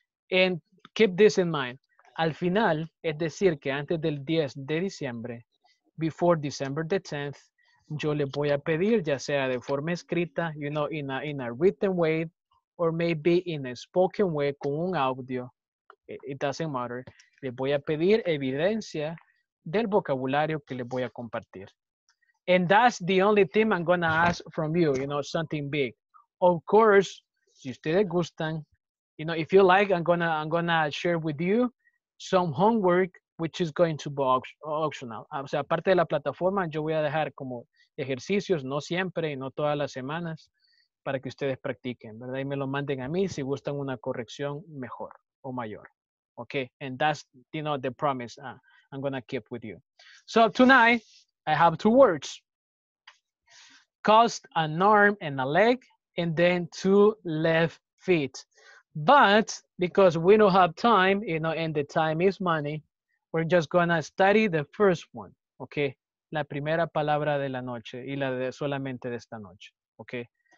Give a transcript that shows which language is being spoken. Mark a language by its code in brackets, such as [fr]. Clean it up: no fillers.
[en] And keep this in mind. [es] Al final, es decir, que antes del 10 de diciembre, [en] before December the 10th, [es] yo le voy a pedir, ya sea de forma escrita, [en] you know, in a written way, or maybe in a spoken way, [es] con un audio, [en] it doesn't matter, [es] le voy a pedir evidencia del vocabulario que le voy a compartir. [en] And that's the only thing I'm gonna ask from you, you know, something big. Of course, [es] si ustedes gustan, [en] you know, if you like, I'm gonna share with you some homework, which is going to be optional. [es] O sea, aparte de la plataforma, yo voy a dejar como ejercicios, no siempre y no todas las semanas, para que ustedes practiquen, ¿verdad? Y me lo manden a mí si gustan una corrección mejor o mayor. [en] Okay, and that's, you know, the promise I'm gonna keep with you. So tonight, I have two words. Cost, an arm and a leg, and then two left feet. But because we don't have time, you know, and the time is money, we're just gonna study the first one, okay? [es] La primera palabra de la noche y la de solamente de esta noche, okay?